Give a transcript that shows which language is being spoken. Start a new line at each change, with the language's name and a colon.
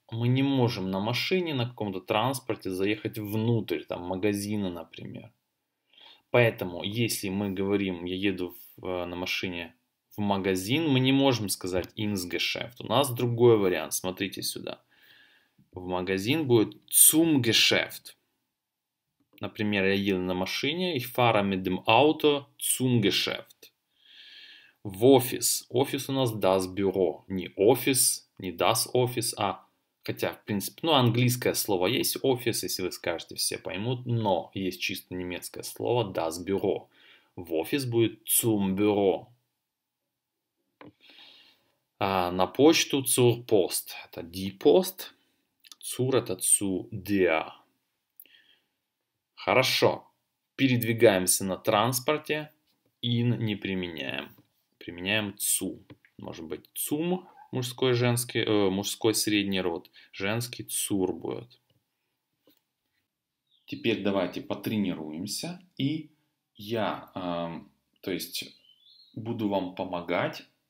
Russian: мы не можем на машине, на каком-то транспорте заехать внутрь, там, магазина, например. Поэтому, если мы говорим, я еду на машине в магазин, мы не можем сказать
German: Ins-Geschäft.
Russian: У нас другой вариант. Смотрите сюда. В магазин будет
German: zum Geschäft.
Russian: Например, я еду на машине,
German: ich fahre mit dem Auto zum Geschäft.
Russian: В офис. Офис у нас das Büro. Не офис, не das Office, а хотя, в принципе, ну, английское слово есть офис, если вы скажете, все поймут, но есть чисто немецкое слово das Büro. В офис будет
German: zum Büro.
Russian: А на почту
German: zur Post.
Russian: Это die Post. Zur это zu der. Хорошо. Передвигаемся на транспорте. In не применяем. Применяем цу. Может быть, цум, мужской, женский, мужской средний род. Женский цур будет. Теперь давайте потренируемся. И я, то есть, буду вам помогать.